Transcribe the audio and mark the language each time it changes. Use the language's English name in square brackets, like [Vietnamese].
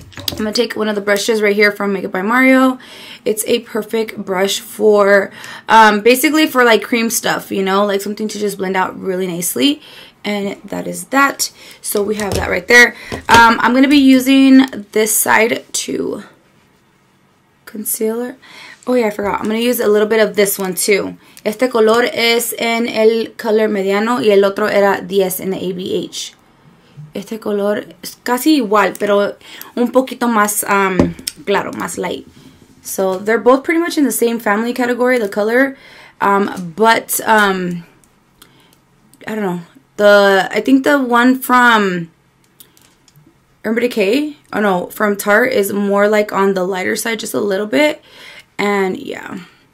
[English] I'm going to take one of the brushes right here from Makeup by Mario. It's a perfect brush for, basically for like cream stuff, you know, like something to just blend out really nicely. And that is that. So we have that right there. I'm going to be using this side too. Concealer. Oh yeah, I forgot. I'm going to use a little bit of this one too. [Spanish] Este color es en el color mediano y el otro era 10 en el ABH. Este color es casi igual, pero un poquito más claro, más light. [English] So they're both pretty much in the same family category, the color. I don't know. I think the one from Urban Decay, oh no, from Tarte is more like on the lighter side, just a little bit. And yeah.